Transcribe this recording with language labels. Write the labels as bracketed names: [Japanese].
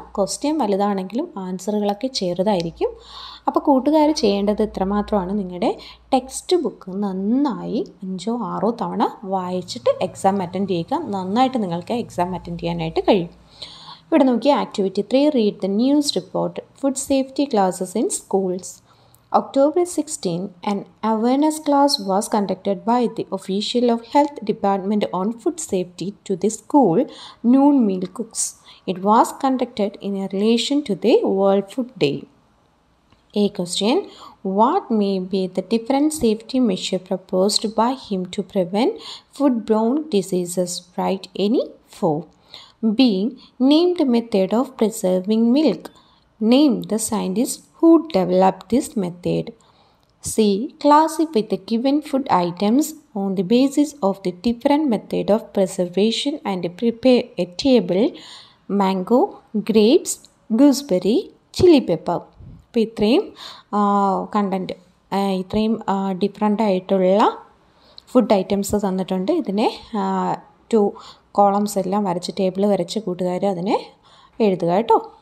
[Malayalam] Question വലുതാണെങ്കിലും ആൻസറുകളൊക്കെ ചെറുതായിരിക്കും. അപ്പോൾ കൂട്ടുകാർ ചെയ്യേണ്ടത് ഇത്രമാത്രമാണ്, നിങ്ങളുടെ ടെക്സ്റ്റ് ബുക്ക് നന്നായി 5-6 തവണ വായിച്ചിട്ട് എക്സാം അറ്റൻഡ് ചെയ്യുക. നന്നായിട്ട് നിങ്ങൾക്ക് എക്സാം അറ്റൻഡ് ചെയ്യാനായിട്ട് കഴിയും. ഇവിടെ നോക്കിയാൽ activity 3, [English] Read the news report food safety classes in schools. October 16, an awareness class was conducted by the official of health department on food safety to the school noon meal cooks. It was conducted in relation to the World Food Day. A question, what may be the different safety measure proposed by him to prevent foodborne diseases? Write any 4. B, name the method of preserving milk. Name the scientist who developed this method. C, classify the given food items on the basis of the different method of preservation and prepare a table. Mango, grapes, gooseberry, chili pepper. [Malayalam] അപ്പോൾ ഇത്രയും content, ഇത്രയും different ആയിട്ടുള്ള food items തന്നിട്ടുണ്ട്. ഇതിനെ 2 columns എല്ലാം വരച്ച്, table വരച്ച് കൂട്ടുകാർ അതിനെ എഴുതുക കേട്ടോ.